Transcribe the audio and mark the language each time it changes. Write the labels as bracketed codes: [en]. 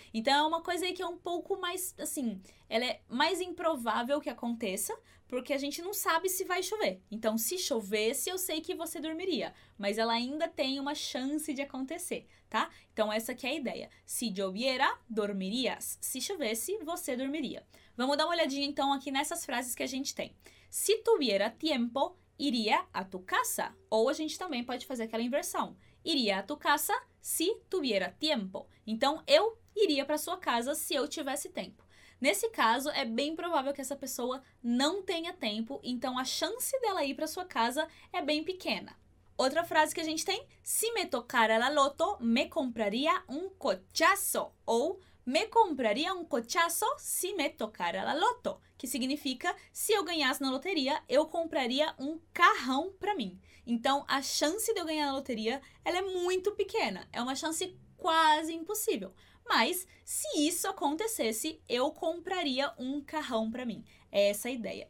[pt] Então, é uma coisa aí que é um pouco mais, assim, ela é mais improvável que aconteça, porque a gente não sabe se vai chover. Então, se chovesse, eu sei que você dormiria. Mas ela ainda tem uma chance de acontecer, tá? Então, essa que é a ideia. [es] Si lloviera, dormirias. [pt] Se chovesse, você dormiria. Vamos dar uma olhadinha, então, aqui nessas frases que a gente tem. [es] Si tuviera tiempo, iria a tu casa. [pt] Ou a gente também pode fazer aquela inversão. [es] Iria a tu casa si tuviera tiempo. [pt] Então, eu iria para sua casa se eu tivesse tempo. Nesse caso, é bem provável que essa pessoa não tenha tempo, então a chance dela ir para sua casa é bem pequena. Outra frase que a gente tem, [es] si me tocara la loto, me compraría un cochazo. Ou, me compraría un cochazo si me tocara la loto. [pt] Que significa, se eu ganhasse na loteria, eu compraria um carrão para mim. Então, a chance de eu ganhar na loteria, ela é muito pequena. É uma chance quase impossível. Mas, se isso acontecesse, eu compraria um carrão para mim. É essa a ideia.